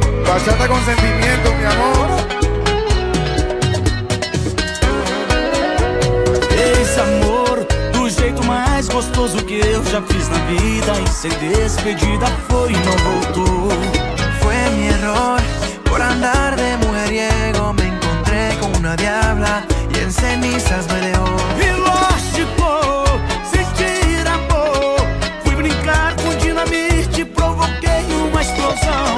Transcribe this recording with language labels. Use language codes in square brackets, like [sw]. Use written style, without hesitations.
[es] Bachata con sentimiento, mi amor. [pt] Esse amor, do jeito mais gostoso que eu já fiz na vida. E sem despedida foi e não voltou. [es] Fue mi error, por andar de mujeriego. Me encontré con una diabla y en cenizas me dejó. [pt] E lógico, sem tirar amor. Fui brincar com dinamite, provoquei uma explosão.